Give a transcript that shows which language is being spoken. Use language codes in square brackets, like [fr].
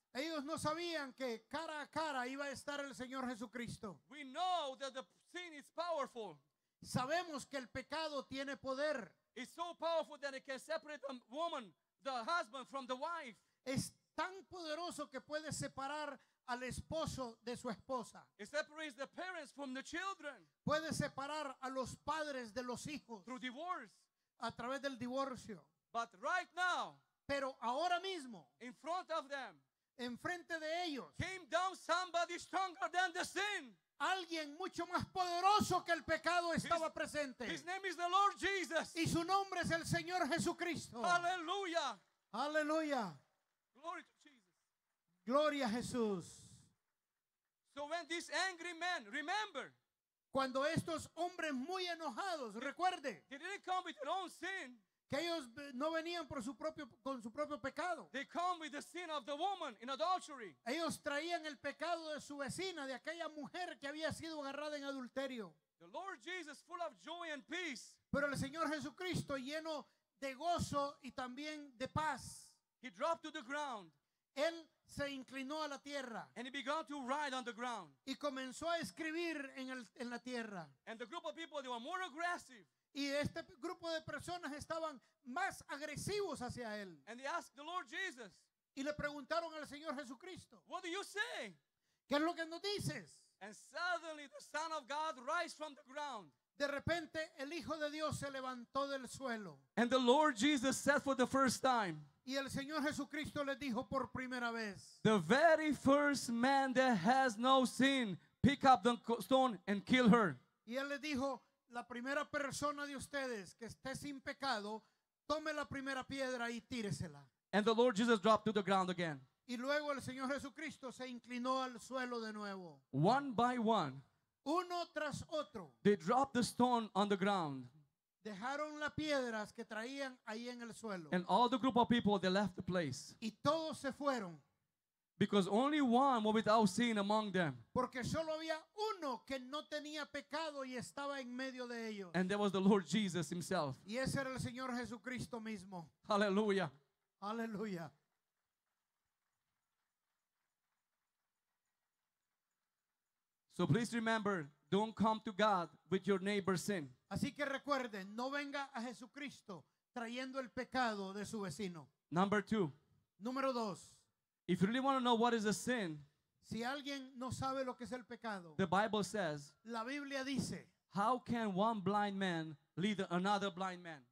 [es] Ellos no sabían que cara a cara iba a estar el Señor Jesucristo. [en] We know that the sin is powerful. [es] Sabemos que el pecado tiene poder. [en] It's so powerful that it can separate the woman, the husband, from the wife. [es] Es tan poderoso que puede separar al esposo de su esposa. [en] It separates the parents from the children. [es] Puede separar a los padres de los hijos. [en] Through divorce. [es] A través del divorcio. [en] But right now. [es] Pero ahora mismo. [en] In front of them. [es] En frente de ellos. [en] Came down somebody stronger than the sin. [es] Alguien mucho más poderoso que el pecado estaba presente. [en] His name is the Lord Jesus. [es] Y su nombre es el Señor Jesucristo. [en] Aleluya. [es] Aleluya. [en] Glory to Jesus. [es] Gloria a Jesús. [en] So when these angry men, remember, [es] cuando estos hombres muy enojados, recuerde, [en] they didn't come with their own sin. [es] Que ellos no venían con su propio pecado. [en] They come with the sin of the woman in adultery. [es] Ellos traían el pecado de su vecina, de aquella mujer que había sido agarrada en adulterio. [en] The Lord Jesus, full of joy and peace. [es] Pero el Señor Jesucristo, lleno de gozo y también de paz. [en] He dropped to the ground. [es] Él se inclinó a la tierra. [en] And he began to write on the ground. [es] Y comenzó a escribir en el en la tierra. [en] And the group of people, they were more aggressive. [es] Y este grupo de personas estaban más agresivos hacia él. [en] And they asked the Lord Jesus. [es] Y le preguntaron al Señor Jesucristo. [en] What do you say? [es] ¿Qué es lo que nos dices? [en] And suddenly the Son of God rises from the ground. [es] De repente el Hijo de Dios se levantó del suelo. [en] And the Lord Jesus said for the first time. [es] Y el Señor Jesucristo le dijo por primera vez. [en] The very first man that has no sin, pick up the stone and kill her. [es] Y él le dijo, la primera persona de ustedes que esté sin pecado, tome la primera piedra y tíresela. [en] And the Lord Jesus dropped to the ground again. [es] Y luego el Señor Jesucristo se inclinó al suelo de nuevo. [en] One by one. [es] Uno tras otro. [en] They dropped the stone on the ground. [es] Dejaron las piedras que traían ahí en el suelo. [en] And all the group of people, they left the place. [es] Y todos se fueron. [en] Because only one was without sin among them. [es] Porque solo había uno que no tenía pecado y estaba en medio de ellos. [en] And that was the Lord Jesus himself. [es] Y ese era el Señor Jesucristo mismo. [en] Hallelujah. [es] Hallelujah. [en] So please remember, don't come to God with your neighbor's sin. [es] Así que recuerde, no venga a Jesucristo trayendo el pecado de su vecino. [en] Number two. [es] Número dos. [en] If you really want to know what is a sin, [es] si alguien no sabe lo que es el pecado, [en] the Bible says, [es] la Biblia dice, [en] how can one blind man lead another blind man?